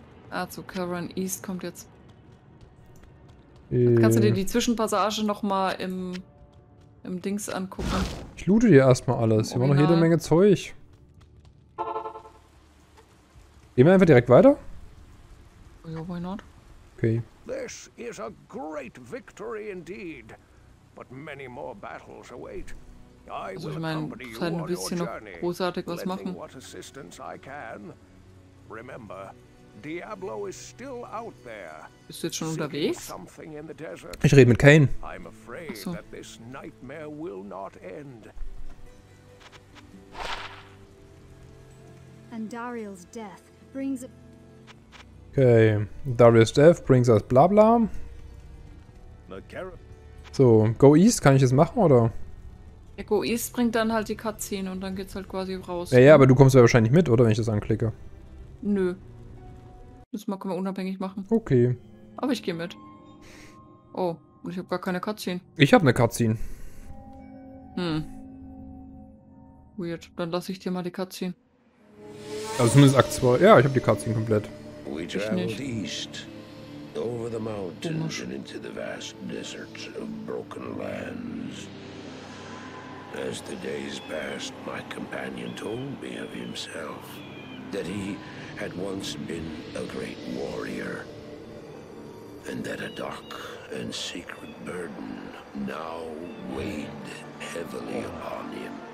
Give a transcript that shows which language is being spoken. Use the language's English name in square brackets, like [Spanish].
[German] Ah, zu Cavern East kommt jetzt. Kannst du dir die Zwischenpassage nochmal im Dings angucken? Ich loote dir erstmal alles. Hier war noch jede Menge Zeug. Gehen wir einfach direkt weiter? Ja, [English] why not? Okay. This is a great victory indeed, but many more battles await. I will accompany you on your journey, lending what assistance I can. Remember, Diablo is still out there. [German] Bist du jetzt schon unterwegs? [English] Something in the desert. [German] Ich rede mit Kane. [English] I'm afraid that this nightmare will not end. And Dariel's death brings a... Okay, Darius Death brings us bla bla. [German] So, Go East kann ich jetzt machen, oder? Ja, Go East bringt dann halt die Cutscene und dann geht's halt quasi raus. Ja, aber du kommst ja wahrscheinlich mit, oder, wenn ich das anklicke? Nö. Das mal können wir unabhängig machen. Okay. Aber ich gehe mit. Oh, und ich habe gar keine Cutscene. Ich habe eine Cutscene. [English] Weird, [German] dann lasse ich dir mal die Cutscene. Also zumindest Akt 2. Ja, ich habe die Cutscene komplett. [English] We traveled east, over the mountains and into the vast deserts of broken lands. As the days passed, my companion told me of himself, that he had once been a great warrior, and that a dark and secret burden now weighed heavily upon him.